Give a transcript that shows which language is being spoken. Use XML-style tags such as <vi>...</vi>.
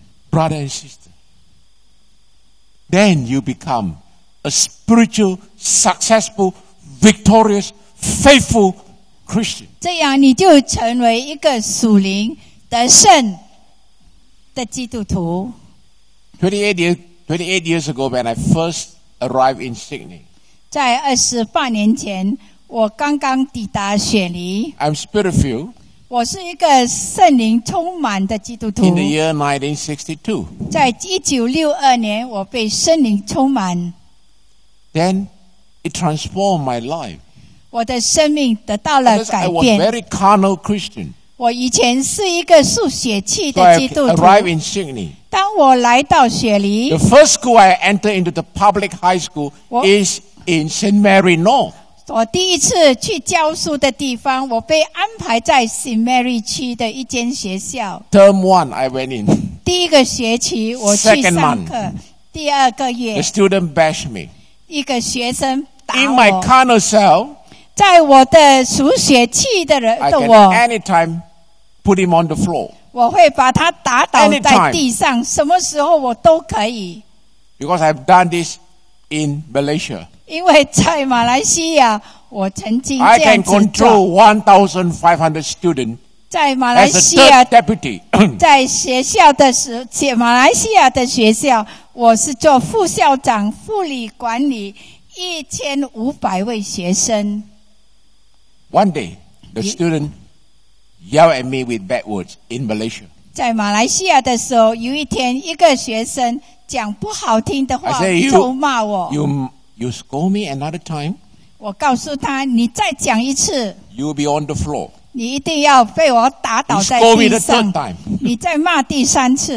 <en>Brother and sister, then you become a spiritual, successful, victorious, faithful Christian.</en> <zh>这样你就成为一个属灵得胜。的基督徒</zh> <en>28 years ago when I first arrived in Sydney</en> <zh>在28年前我刚刚抵达雪梨</zh> <en>I'm spirit-filled</en> <zh>我是一个圣灵充满的基督徒</zh> <en>in the year 1962</en> <zh>在1962年我被圣灵充满</zh> <en>then it transformed my life</en> <zh>我的生命得到了改变</zh> <en>I was a very carnal Christian</en> <zh>我以前是一个速血气的基督徒。</zh> <en>So、I arrived in Sydney.</en> <zh>当我来到雪梨</zh> <en>，The first school I entered into the public high school is in St. Mary North.</en> <zh>我第一次去教书的地方，我被安排在 St. Mary 区的一间学校。</zh> <en>Term one, I went in.</en> <zh>第一个学期我去上课。</zh> <en>Second month,</en> <zh>第二个月</zh> <en>，The student bashed me.</en> <zh>一个学生打我。</zh> <en>In my carnal self.</en> <zh>在我的属血气的人的我</zh> <en>I can anytime put him on the floor</en> <zh>我会把他打倒在地上 什么时候我都可以</zh> <en>Because I've done this in Malaysia</en> <zh>因为在马来西亚我曾经这样子</zh> <en>I can control 1,500 students</en> <zh>在马来西亚</zh> <en>as a third deputy</en> <zh>在学校的时马来西亚的学校我是做副校长副理管理1500位学生</zh> <en>One day, the student yelled at me with bad words in Malaysia.</en> <zh>在马来西亚的时候，有一天，一个学生讲不好听的话，就骂我。</zh> <en>You scold me another time.</en> <zh>我告诉他，你再讲一次。</zh> <en>You'll be on the floor.</en> <zh>你一定要被我打倒在地上。</zh> <en>You scold me the third time.</en> <zh>你再骂第三次。</zh>